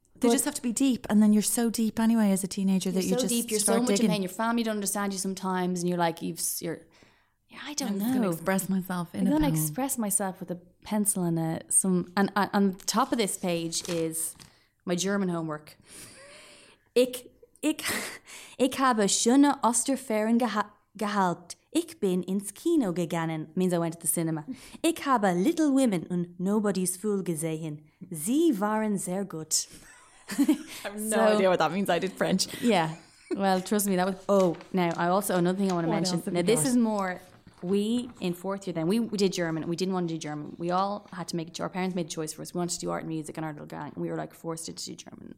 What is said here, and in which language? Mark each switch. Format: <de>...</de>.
<en>They just have to be deep, and then you're so deep anyway as a teenager you're so in pain. Your family don't understand you sometimes, and you're like, I don't know. I'm going to express myself in a poem. I'm going to express myself with a pencil and on the top of this page is my German homework.</en> <de>Ich habe schöne Osterferien gehabt. Ich bin ins Kino gegangen,</de> <en>means I went to the cinema.</en> <de>Ich habe Little Women und Nobody's Fool gesehen. Sie waren sehr gut.</de> <en>I have no idea what that means. I did French. Yeah. Well, trust me, that was... Oh, now, I also... Another thing I want to mention. Now, this is more... We, in fourth year then, we did German. We didn't want to do German. We all had to make... Our parents made a choice for us. We wanted to do art and music in our little gang. And we were, forced into German.</en>